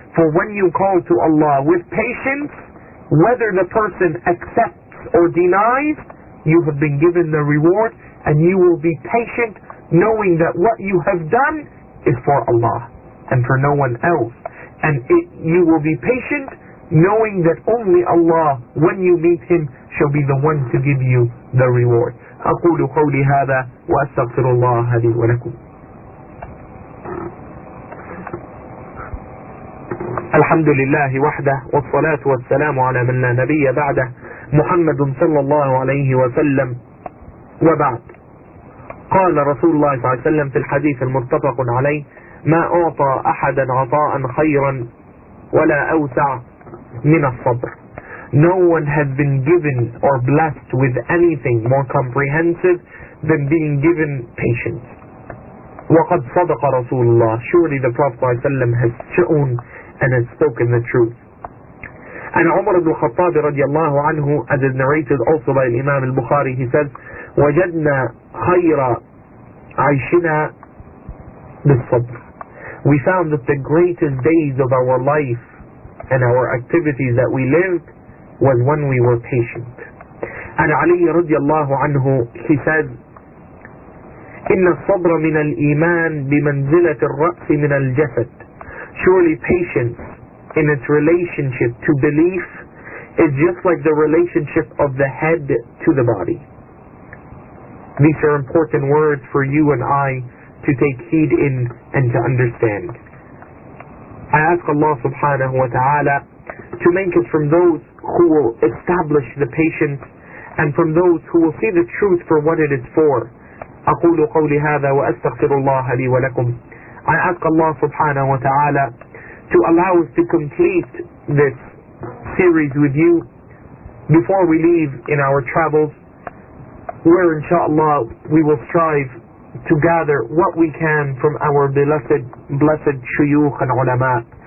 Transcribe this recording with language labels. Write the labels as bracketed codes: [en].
[en] For when you call to Allah with patience, whether the person accepts or denies, you have been given the reward, and you will be patient knowing that what you have done is for Allah and for no one else. And you will be patient knowing that only Allah, when you meet Him, shall be the one to give you the reward. [ar] أقول قولي هذا وأستغفر الله لي ولكم. الحمد لله وحده, والصلاة والسلام على من لا نبي بعده, محمد صلى الله عليه وسلم. وبعد, قال رسول الله صلى الله عليه وسلم في الحديث المتفق عليه, ما أعطى أحدا عطاء خيرا ولا أوسع من الصبر. [en] No one has been given or blessed with anything more comprehensive than being given patience. [ar] وَقَدْ صَدَقَ رَسُولُ اللَّهِ. [en] Surely the Prophet ﷺ has shown and has spoken the truth. And Umar ibn Khattab radiallahu anhu, as is narrated also by Imam al-Bukhari, he says, [ar] وَجَدْنَا خَيْرَ عَيْشِنَا بِالصَّبْرِ. [en] We found that the greatest days of our life and our activities that we lived was when we were patient. And Ali radiallahu anhu, he said, [ar] إِنَّ الصَّبْرَ مِنَ الْإِيمَانِ بِمَنْزِلَةِ الرَّأْسِ مِنَ الْجَسَدِ. [en] Surely patience in its relationship to belief is just like the relationship of the head to the body. These are important words for you and I to take heed in and to understand. I ask Allah subhanahu wa ta'ala to make us from those who will establish the patience and from those who will see the truth for what it is for. [ar] أقول قولي هذا وأستغفر الله لي ولكم. [en] I ask Allah subhanahu wa ta'ala to allow us to complete this series with you before we leave in our travels, where inshaAllah we will strive to gather what we can from our blessed shuyukh and ulama.